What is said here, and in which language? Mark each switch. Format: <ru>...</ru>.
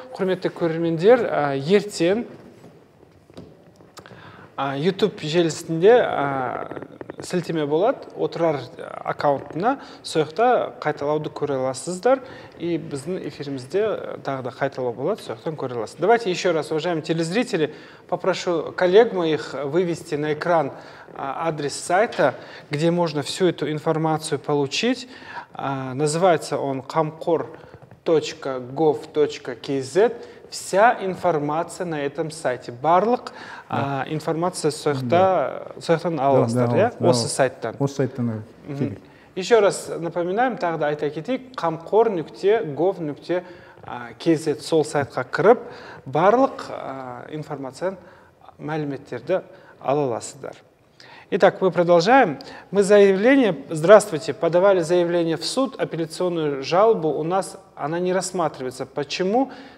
<kk>Құрметті көрермендер, ертең YouTube желісінде сілтеме болады, отырар аккаунтына, сөйіқті қайталауды көре аласыздар, и біздің эфирімізде тағы да қайталау болады, сөйіқтен көре аласыздар.</kk> <ru>Давайте еще раз, уважаемые телезрители, попрошу коллег моих вывести на экран адрес сайта, где можно всю эту информацию получить. Называется он kamkor.gov.kz. Вся информация на этом сайте.</ru> <kk>Барлық информация сөйіқтен аласыздар, осы сайттан. Осы сайттан.</kk> <ru>Еще раз напоминаем,</ru> <kk>тағы да айта кетейік, kamkor.gov.kz сол сайтқа кіріп, барлық информация, мәліметтерді аласыздар.</kk> <ru>Итак, мы продолжаем. Мы заявление, здравствуйте, подавали заявление в суд, апелляционную жалобу у нас, она не рассматривается. Почему?</ru>